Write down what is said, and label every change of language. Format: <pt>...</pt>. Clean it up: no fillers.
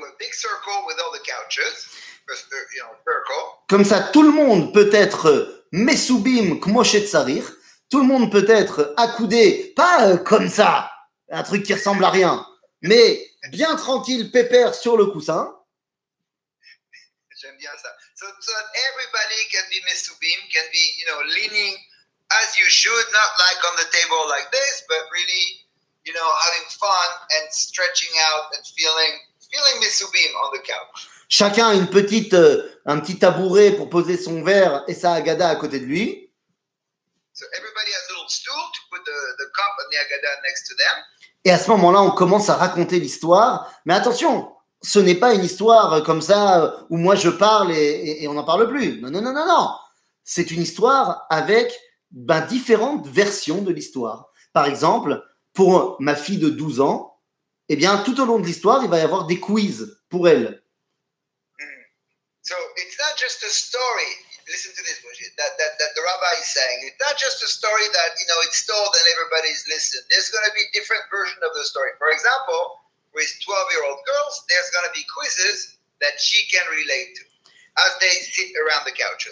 <en>Circle with all the couches, circle.</en> <fr>Comme ça, tout le monde peut être</fr> <he>mesubim kmoshet sarir.</he> <fr>Tout le monde peut être accoudé, pas comme ça, un truc qui ressemble à rien, mais bien tranquille, pépère sur le coussin. J'aime bien ça.</fr> <en>So everybody can be mesubim, can be, you know, leaning as you should, not like on the table like this, but really, you know, having fun and stretching out and feeling mesubim on the couch.</en> <fr>Chacun a une petite un petit tabouret pour poser son verre et sa agada à côté de lui.</fr> <en>So everybody has a little stool to put the cup and the agada next to them.</en> <fr>Et à ce moment-là, on commence à raconter l'histoire, mais attention, ce n'est pas une histoire comme ça où moi je parle et on n'en parle plus. Non. C'est une histoire avec différentes versions de l'histoire. Par exemple, pour ma fille de 12 ans, Eh bien, tout au long de l'histoire, il va y avoir des quiz pour elle.</fr> <en>So it's not just a story. Listen to this, Moshe, that the rabbi is saying. It's not just a story that, you know, it's told and everybody's listened. There's going to be different versions of the story. For example, with 12-year-old girls, there's going to be quizzes that she can relate to as they sit around the couch.</en>